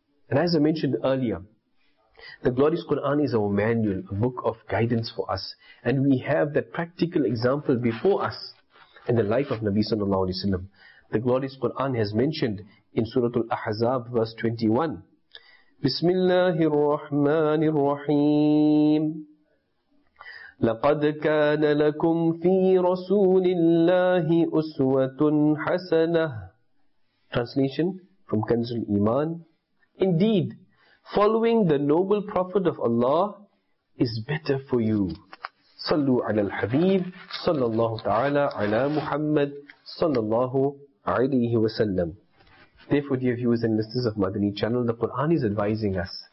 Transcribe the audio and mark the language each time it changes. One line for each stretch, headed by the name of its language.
English: And as I mentioned earlier, the glorious Quran is our manual, a book of guidance for us. And we have that practical example before us in the life of Nabi sallallahu alaihi wasallam. The glorious Quran has mentioned in Surah Al-Ahzab verse 21, Bismillahir Rahmanir Rahim.
Arabic: لقد كان لكم في رسول الله أسوة حسنة.
English: Translation from Kanz al-Iman. Indeed, following the noble prophet of Allah is better for you.
Arabic: صلوا على الحبيب صلى الله تعالى على محمد صلى الله عليه وسلم.
English: Therefore, dear viewers and listeners of Madani Channel, the Quran is advising us.